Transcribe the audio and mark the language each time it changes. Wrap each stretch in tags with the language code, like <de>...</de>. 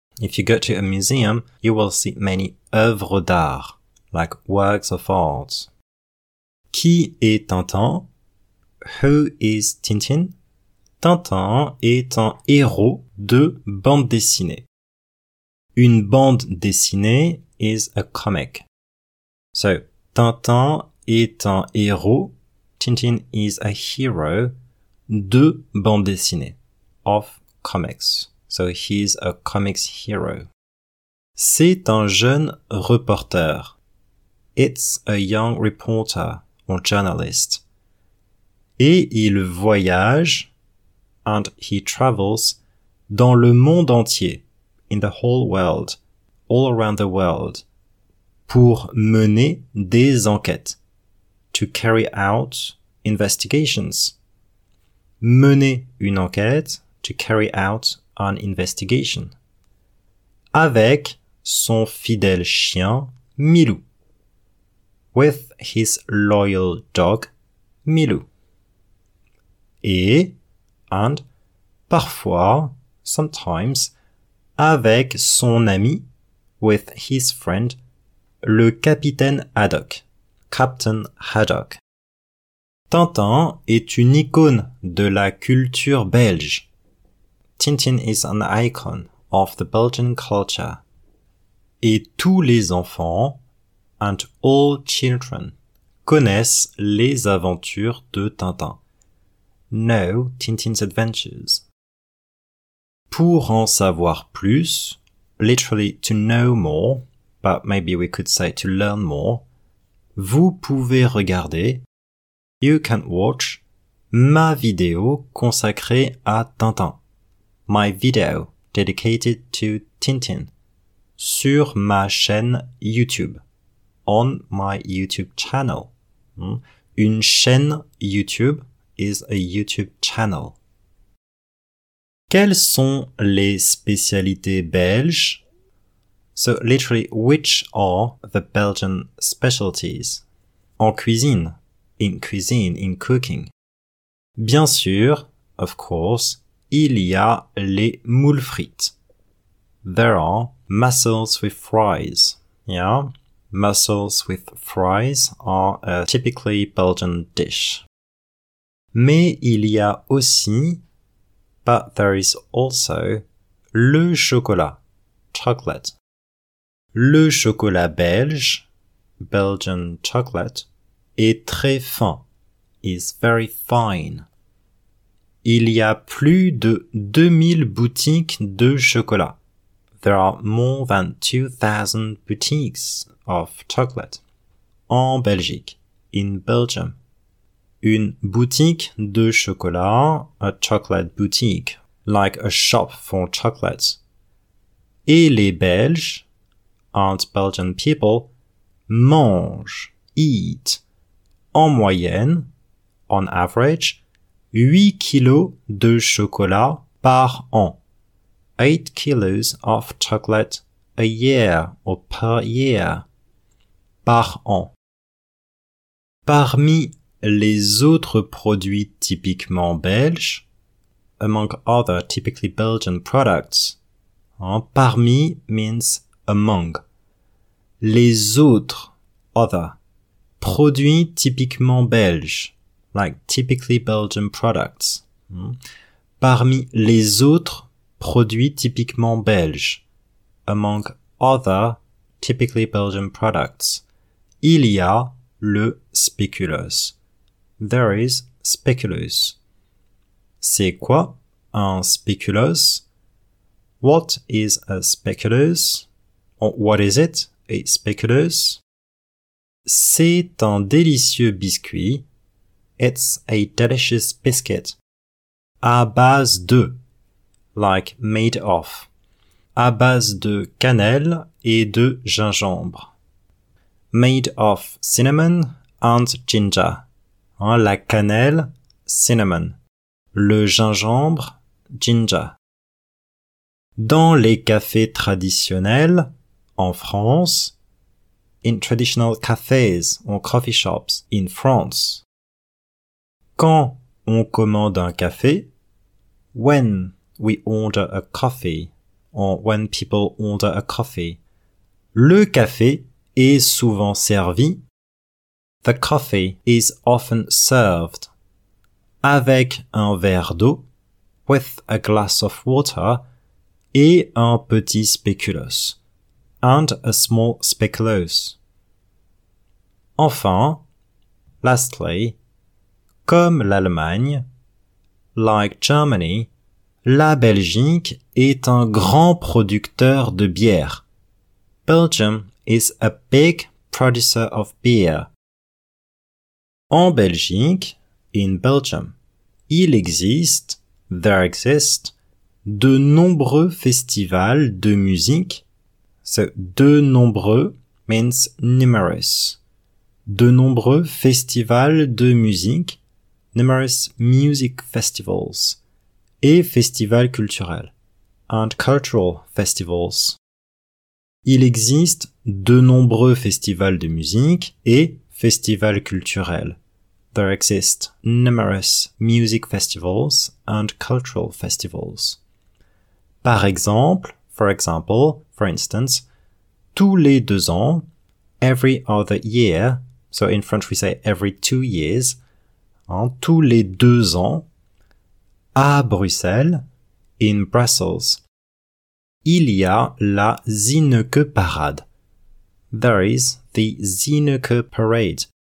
<en>If you go to a museum, you will see many</en> <fr>œuvres d'art,</fr> <en>like works of art.</en> <fr>Qui est Tintin?</fr> <en>Who is Tintin?</en> <fr>Tintin est un héros de bande dessinée. Une bande dessinée</fr> <en>is a comic. So,</en> <fr>Tintin est un héros,</fr> <en>Tintin is a hero,</en> <fr>de bande dessinée,</fr> <en>of comics. So, he is a comics hero.</en> <fr>C'est un jeune reporter.</fr> <en>It's a young reporter or journalist.</en> <fr>Et il voyage,</fr> <en>and he travels,</en> <fr>dans le monde entier.</fr> <en>In the whole world, all around the world,</en> <fr>pour mener des enquêtes,</fr> <en>to carry out investigations.</en> <fr>Mener une enquête,</fr> <en>to carry out an investigation.</en> <fr>Avec son fidèle chien, Milou.</fr> <en>With his loyal dog, Milou.</en> <fr>Et, and, parfois, sometimes, avec son ami,</fr> <en>with his friend,</en> <fr>le capitaine Haddock, Captain Haddock. Tintin est une icône de la culture belge.</fr> <en>Tintin is an icon of the Belgian culture.</en> <fr>Et tous les enfants,</fr> <en>and all children,</en> <fr>connaissent les aventures de Tintin.</fr> <en>Know Tintin's adventures.</en> <fr>Pour en savoir plus,</fr> <en>literally to know more, but maybe we could say to learn more,</en> <fr>vous pouvez regarder,</fr> <en>you can watch,</en> <fr>ma vidéo consacrée à Tintin.</fr> <en>My video dedicated to Tintin.</en> <fr>Sur ma chaîne YouTube.</fr> <en>On my YouTube channel.</en> <fr>Une chaîne YouTube</fr> <en>is a YouTube channel.</en> <fr>Quelles sont les spécialités belges?</fr> <en>So literally, which are the Belgian specialties?</en> <fr>En cuisine.</fr> <en>In cuisine, in cooking.</en> <fr>Bien sûr,</fr> <en>of course,</en> <fr>il y a les moules frites.</fr> <en>There are mussels with fries. Yeah, mussels with fries are a typically Belgian dish.</en> <fr>Mais il y a aussi,</fr> <en>but there is also,</en> <fr>le chocolat.</fr> <en>Chocolate.</en> <fr>Le chocolat belge,</fr> <en>Belgian chocolate,</en> <fr>est très fin,</fr> <en>is very fine.</en> <fr>Il y a plus de 2000 boutiques de chocolat.</fr> <en>There are more than 2000 boutiques of chocolate.</en> <fr>En Belgique,</fr> <en>in Belgium.</en> <fr>Une boutique de chocolat,</fr> <en>a chocolate boutique, like a shop for chocolate.</en> <fr>Et les Belges,</fr> <en>and Belgian people,</en> <fr>mangent, eat, en moyenne,</fr> <en>on average,</en> <fr>8 kilos de chocolat par an.</fr> <en>8 kilos of chocolate a year or per year.</en> <fr>Par an. Parmi les autres produits typiquement belges,</fr> <en>among other typically Belgian products,</en> <fr>hein, parmi</fr> <en>means among,</en> <fr>les autres,</fr> <en>other,</en> <fr>produits typiquement belges,</fr> <en>like typically Belgian products,</en> <fr>parmi les autres produits typiquement belges,</fr> <en>among other typically Belgian products,</en> <fr>il y a le spéculoos.</fr> <en>There is spéculoos.</en> <fr>C'est quoi un spéculoos?</fr> <en>What is a spéculoos? What is it, a spéculoos?</en> <fr>C'est un délicieux biscuit.</fr> <en>It's a delicious biscuit.</en> <fr>À base de,</fr> <en>like made of,</en> <fr>à base de cannelle et de gingembre.</fr> <en>Made of cinnamon and ginger.</en> <fr>Hein, la cannelle,</fr> <en>cinnamon.</en> <fr>Le gingembre,</fr> <en>ginger.</en> <fr>Dans les cafés traditionnels, en France,</fr> <en>in traditional cafes or coffee shops in France,</en> <fr>quand on commande un café,</fr> <en>when we order a coffee, or when people order a coffee,</en> <fr>le café est souvent servi,</fr> <en>the coffee is often served,</en> <fr>avec un verre d'eau,</fr> <en>with a glass of water,</en> <fr>et un petit spéculoos,</fr> <en>and a small spéculoos.</en> <fr>Enfin,</fr> <en>lastly,</en> <fr>comme l'Allemagne,</fr> <en>like Germany,</en> <fr>la Belgique est un grand producteur de bière.</fr> <en>Belgium is a big producer of beer.</en> <fr>En Belgique,</fr> <en>in Belgium,</en> <fr>il existe,</fr> <en>there exist,</en> <fr>de nombreux festivals de musique.</fr> <en>So,</en> <fr>de nombreux</fr> <en>means numerous.</en> <fr>De nombreux festivals de musique,</fr> <en>numerous music festivals,</en> <fr>et festivals culturels,</fr> <en>and cultural festivals.</en> <fr>Il existe de nombreux festivals de musique et festivals culturels.</fr> <en>There exist numerous music festivals and cultural festivals.</en> <fr>Par exemple,</fr> <en>for example, for instance,</en> <fr>tous les deux ans,</fr> <en>every other year, so in French we say every 2 years,</en> <fr>hein, tous les 2 ans à Bruxelles,</fr> <en>in Brussels,</en> <fr>il y a la Zinneke Parade.</fr> <en>There is the Zinneke Parade.</en>